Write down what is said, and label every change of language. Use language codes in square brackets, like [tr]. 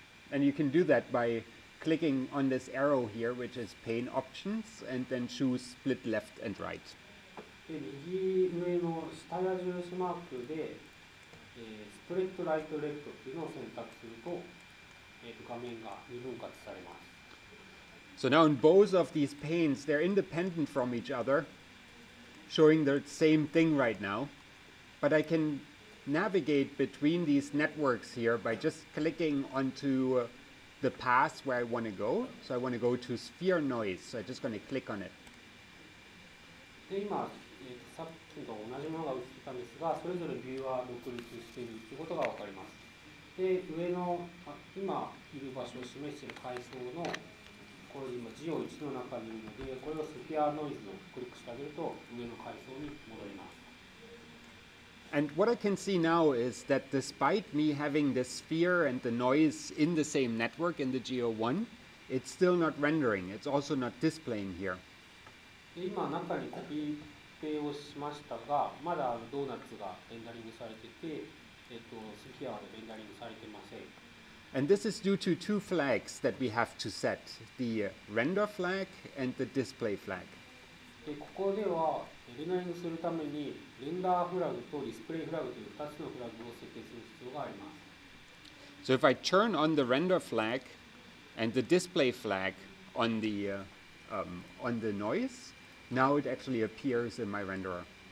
[en] And you can do that by clicking on this arrow here, which is pane options, and then choose split left and right. [ja] で右上の下矢印マークで、スプリットライトレフトっていうのを選択すると、画面が二分割されます。 [en] So now in both of these panes, they're independent from each other, showing the same thing right now. But I can navigate between these networks here by just clicking onto the path where I want to go. So I want to go to sphere noise. So I'm just going to click on it. [ja] で今さっきと同じものが映ってたんですが、それぞれビューは独立しているということがわかります。で、上の今いる場所を示している階層の、これ今ジオ1の中にいるので、これをスフィアノイズをクリックしてあげると、上の階層に戻ります。 [en] And what I can see now is that despite me having the sphere and the noise in the same network in the Geo 1, it's still not rendering. It's also not displaying here. [ja] で、今中にコピーをしましたが、まだドーナツがレンダリングされてて、スフィアはレンダリングされてません。 [en] And this is due to two flags that we have to set, the render flag and the display flag. [ja] でここではエレナリングするためにレンダーフラグとディスプレイフラグという2つのフラグを設定する必要があります。 [en] So if I turn on the render flag and the display flag on the,、on the noise, now it actually appears in my renderer.